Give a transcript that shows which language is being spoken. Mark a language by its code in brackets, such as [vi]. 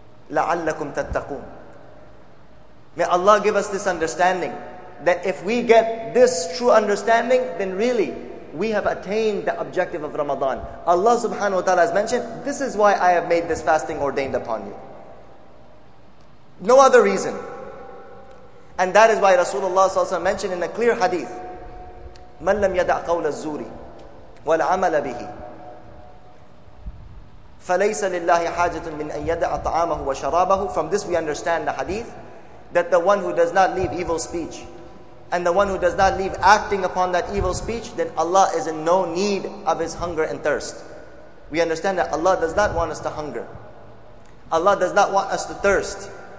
[ar] لَعَلَّكُمْ تَتَّقُونَ. [en] May Allah give us this understanding, that if we get this true understanding, then really, we have attained the objective of Ramadan. Allah subhanahu wa ta'ala has mentioned, this is why I have made this fasting ordained upon you. No other reason. And that is why Rasulullah sallallahu alaihi wasallam mentioned in a clear hadith, [ar] مَنْ لَمْ يَدَعْ قَوْلَ الزُّورِ وَالْعَمَلَ بِهِ فَلَيْسَ لِلَّهِ حَاجَةٌ مِنْ أَنْ يَدَعَ طَعَامَهُ وَشَرَابَهُ. [en] From this we understand the hadith, that the one who does not leave evil speech, and the one who does not leave acting upon that evil speech, then Allah is in no need of his hunger and thirst. We understand that Allah does not want us to hunger. Allah does not want us to thirst.